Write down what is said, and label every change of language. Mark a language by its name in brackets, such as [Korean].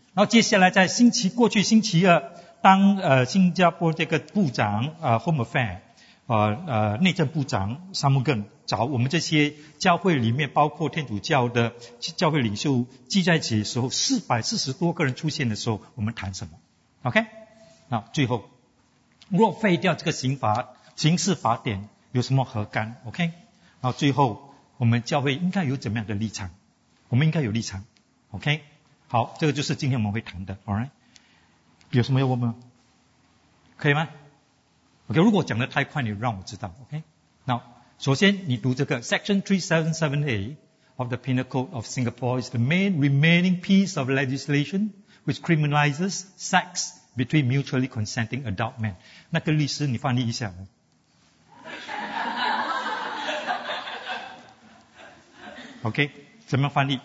[Chinese] 然后接下来在过去星期二，当新加坡这个部长Home Affairs内政部长 Sam Gunn 找我们这些教会里面包括天主教的教会领袖聚在一起的时候，440多个人出现的时候，我们谈什么 ？OK， 那最后若废掉这个刑事法典，有什么何干 ？OK。然后最后我们教会应该有怎么样的立场，我们应该有立场 OK， 好，这个就是今天我们会谈的 Alright， 有什么要问吗？可以吗？OK， 如果讲得太快你让我知道 OK。那首先你读这个 [English] Section 377A of the Penal Code of Singapore is the main remaining piece of legislation which criminalizes sex between mutually consenting adult men。 [Chinese] 那个律师你翻译一下，OK， 怎么翻译？